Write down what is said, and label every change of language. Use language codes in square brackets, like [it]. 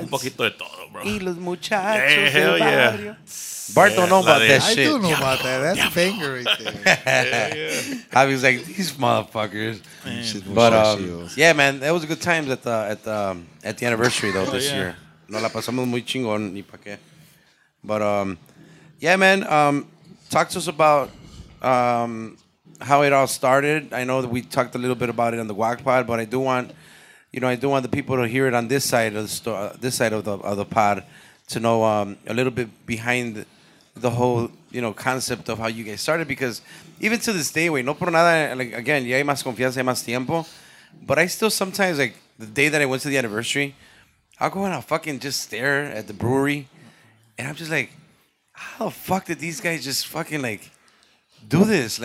[es] Un poquito de todo, bro. Y los muchachos. [en] Yeah, hell yeah. Bart don't know about that shit. I do know about that. That's a banger right there. Yeah. I was like, these motherfuckers. Man. But yeah, man, that was a good time at the anniversary, though, this year. [es] No la pasamos muy chingón ni pa qué. [en] But yeah, man, talk to us about how it all started. I know that we talked a little bit about it on the WAC pod, but I do want the people to hear it on this side of the this side of the pod to know a little bit behind the whole, you know, concept of how you guys started, because even to this day, wait, [es] no por nada, [en] like, again, [es] ya hay más confianza, hay más tiempo, [en] but I still sometimes, like, the day that I went to the anniversary, I'll go and I'll fucking just stare at the brewery, and I'm just like, how the fuck did these guys just fucking, like, do this?